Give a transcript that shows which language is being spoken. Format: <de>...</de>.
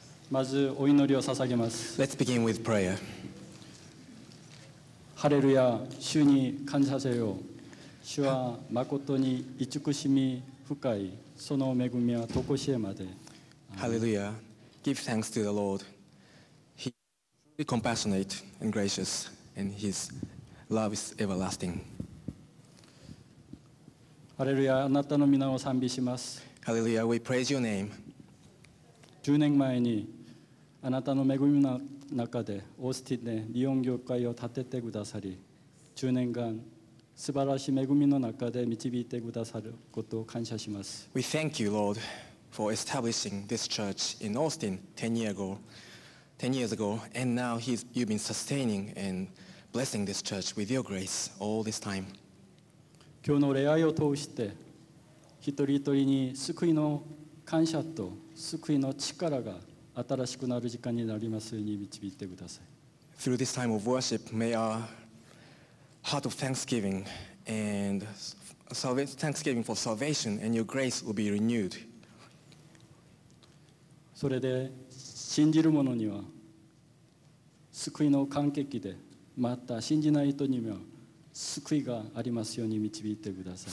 <ja>まずお祈りを捧げます。</ja> <en>Let's begin with prayer.</en> <ja>ハレルヤ、主に感謝せよ。主は誠に慈しみ深い、その恵みは常しえまで。</ja> <en>Hallelujah. Give thanks to the Lord. He is truly compassionate and gracious, and His love is everlasting.</en> <ja>Hallelujah. あなたの皆を賛美します。</ja> <en>Hallelujah. We praise your name.</en> <ja>10年前にあなたの恵みの中でオースティンで日本教会を建ててくださり、10年間素晴らしい恵みの中で導いてくださることを感謝します。</ja> <en>We thank you, Lord. For establishing this church in Austin 10 years ago, and now you've been sustaining and blessing this church with your grace all this time.</en> <ja>今日の礼拝を通して、一人一人に救いの感謝と救いの力が新しくなる時間になりますように導いてください。</ja> <en>Through this time of worship, may our heart of thanksgiving and thanksgiving for salvation and your grace will be renewed.</en> <ja>それで信じる者には救いの感激で、また信じない人には救いがありますように導いてください。</ja>